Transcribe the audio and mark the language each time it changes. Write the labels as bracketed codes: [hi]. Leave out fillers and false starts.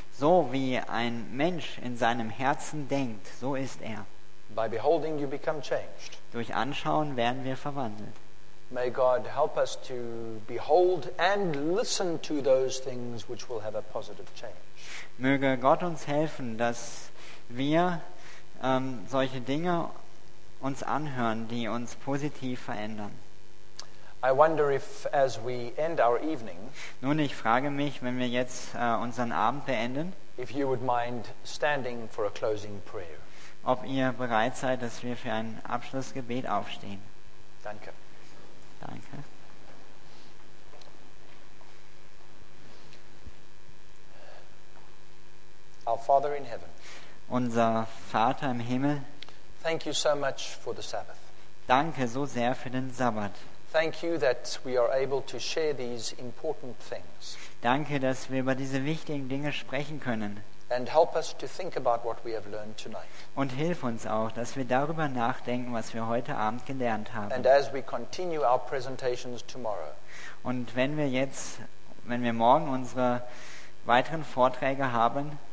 [de] So wie ein Mensch in seinem Herzen denkt, so ist er. [en] By beholding you become changed. [de] Durch Anschauen werden wir verwandelt. [en] May God help us to behold and listen to those things which will have a positive change. [de] Möge Gott uns helfen, dass wir solche Dinge uns anhören, die uns positiv verändern. [en] I wonder if, as we end our evening, [de] nun, ich frage mich, wenn wir jetzt unseren Abend beenden, [en] if you would mind standing for a closing prayer. [de] Ob ihr bereit seid, dass wir für ein Abschlussgebet aufstehen. Danke. Danke. [en] Our Father in heaven. [de] Unser Vater im Himmel. [en] Thank you so much for the Sabbath. [de] Danke so sehr für den Sabbat. [en] Thank you that we are able to share these important things. [de] Danke, dass wir über diese wichtigen Dinge sprechen können. [en] And help us to think about what we have learned tonight. [de] Und hilf uns auch, dass wir darüber nachdenken, was wir heute Abend gelernt haben. [en] And as we continue our presentations tomorrow. [de] Und wenn wir morgen unsere weiteren Vorträge haben,